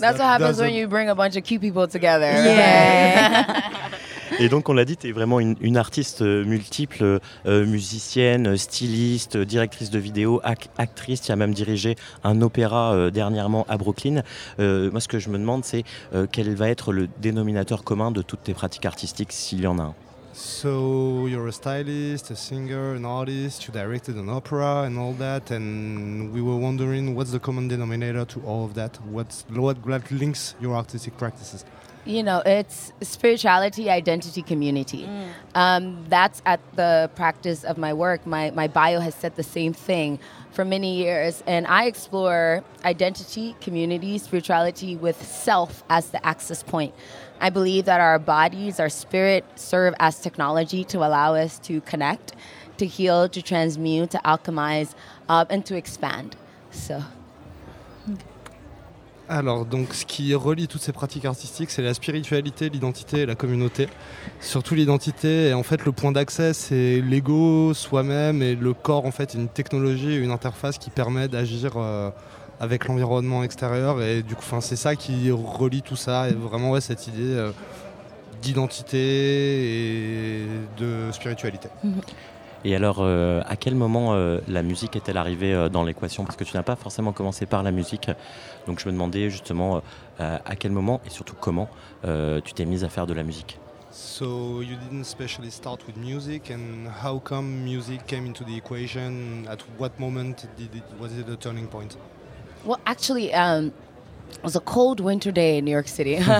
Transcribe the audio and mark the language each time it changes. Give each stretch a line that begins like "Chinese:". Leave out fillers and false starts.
English: That's what happens when you bring a bunch of cute people together. Yeah.
French: Et donc, on l'a dit, tu es vraiment une artiste multiple, musicienne, styliste, directrice de vidéo, actrice, tu as même dirigé un opéra dernièrement à Brooklyn. Moi, ce que je me demande, c'est quel va être le dénominateur commun de toutes tes pratiques artistiques, s'il y en a un.
English: So, you're a stylist, a singer, an artist, you directed an opera and all that, and we were wondering what's the common denominator to all of that, what links your artistic practices. You know, it's spirituality, identity, community. Mm. That's at the practice of my work. My bio has said the same thing for many years. And I explore identity, community, spirituality with self as the access point. I believe that our bodies, our spirit, serve as technology to allow us to connect, to heal, to transmute, to alchemize, and to expand. So.
French: Alors, donc, ce qui relie toutes ces pratiques artistiques, c'est la spiritualité, l'identité et la communauté. Surtout l'identité, et en fait, le point d'accès, c'est l'ego, soi-même, et le corps, en fait, une technologie, une interface qui permet d'agir avec l'environnement extérieur. Et du coup, c'est ça qui relie tout ça, et vraiment, ouais, cette idée d'identité et de spiritualité. Et alors, à quel moment la musique est-elle arrivée dans l'équation ? Parce que tu n'as pas forcément commencé par la musique. Donc je me demandais justement à quel moment et surtout comment tu t'es mise à faire de la musique.
English: So you didn't specially start with music and how come music came into the equation? At what moment was it a turning point? Well, actually, it was a cold winter day in New York City.